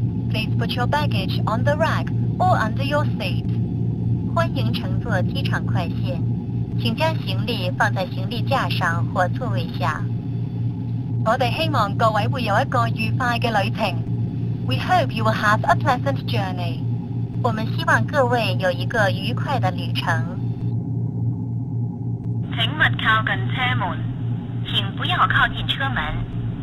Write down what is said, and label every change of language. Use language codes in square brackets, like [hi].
[en] Please put your baggage on the rack or under your seat. [zh] 欢迎乘坐机场快线，请将行李放在行李架上或座位下。我们希望各位会有一个愉快的旅程。 [en] We hope you will have a pleasant journey. [zh] 我们希望各位有一个愉快的旅程。请勿靠近车门，请不要靠近车门。